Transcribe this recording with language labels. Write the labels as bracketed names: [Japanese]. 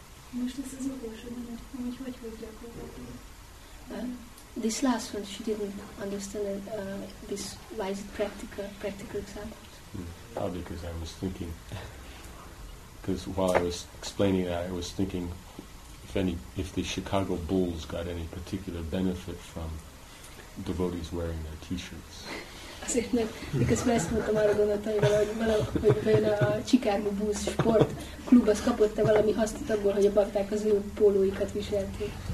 [Hungarian] Most ez az utolsó, hogy hogy gyakorlati. [English] This last one, she didn't understand it, this, why is it practical examples? Probably because I was thinking, because while I was explaining that, I was thinking if the Chicago Bulls got any particular benefit from devotees wearing their t-shirts. [Hungarian] Azért, mert miközben ezt mondtam, arra gondoltam, hogy vajon a Chicago Bulls sport klub az kapott-e valami hasznot abból, hogy a bakták az ő pólóikat viselték.